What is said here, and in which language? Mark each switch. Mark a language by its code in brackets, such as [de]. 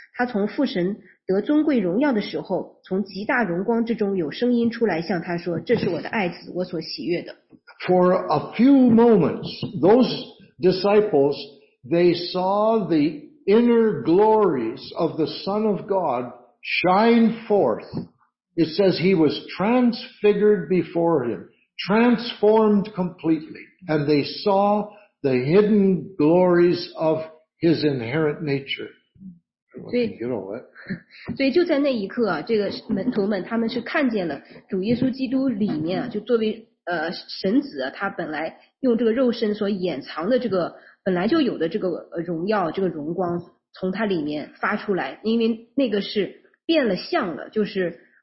[zh] 他从父神得尊贵荣耀的时候，从极大荣光之中有声音出来向他说，这是我的爱子，我所喜悦的。 [en] For a few moments, those disciples, they saw the inner glories of the Son of God shine forth. It says he was transfigured before him, transformed completely, and they saw the hidden glories of his inherent nature. You know what? [zh] 所以就在那一刻啊，这个门徒们他们是看见了主耶稣基督里面啊，就作为神子啊，他本来用这个肉身所掩藏的这个本来就有的这个荣耀、这个荣光从他里面发出来，因为那个是变了相了，就是。